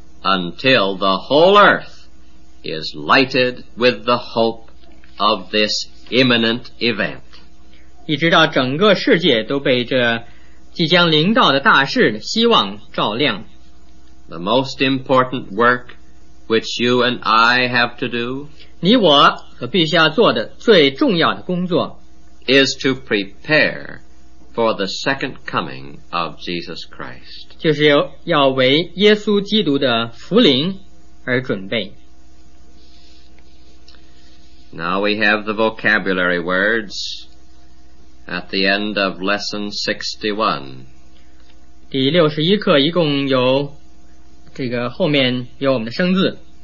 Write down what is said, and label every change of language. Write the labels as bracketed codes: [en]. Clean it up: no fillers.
[en] Until the whole earth is lighted with the hope of this imminent event. [zh] 一直到整个世界都被这即将临到的大事希望照亮。 [en] The most important work which you and I have to do, [zh] 你我所必须要做的最重要的工作 [en] is to prepare for the second coming of Jesus Christ. [zh] 就是要为耶稣基督的复临而准备。 [en] Now we have the vocabulary words at the end of lesson 61. [zh] 第61课一共有这个后面有我们的生字。